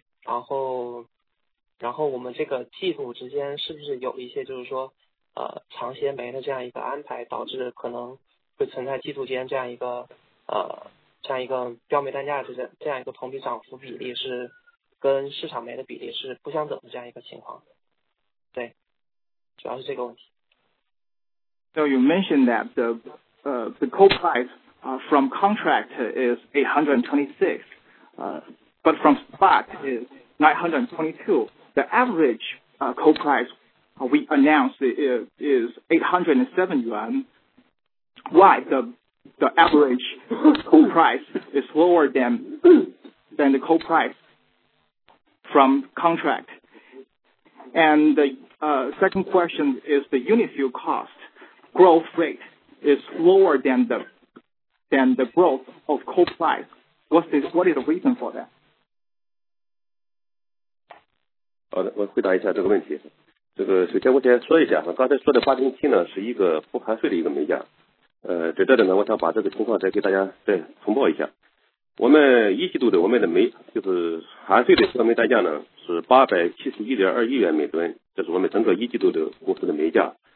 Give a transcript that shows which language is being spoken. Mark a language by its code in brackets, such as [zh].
[zh] 然后我们这个季度之间是不是有一些就是说长协煤的这样一个安排导致可能会存在季度间这样一个标煤单价的这样一个同比涨幅比例是跟市场煤的比例是不相等的这样一个情况，对，主要是这个问题。 [en] So you mentioned that the coal price from contract is 826, but from spot is 922. The average coal price we announced is 807 yuan. Why the average coal price is lower than the coal price from contract? And the second question is the unit fuel cost growth rate is lower than the growth of coal price. What is the reason for that? [zh] 好的，我回答一下这个问题。这个首先我先说一下，刚才说的807呢是一个不含税的一个煤价。在这里呢，我想把这个情况再给大家再重报一下。我们一季度的我们的煤就是含税的标煤单价呢是871.21元每吨，这是我们整个一季度的公司的煤价。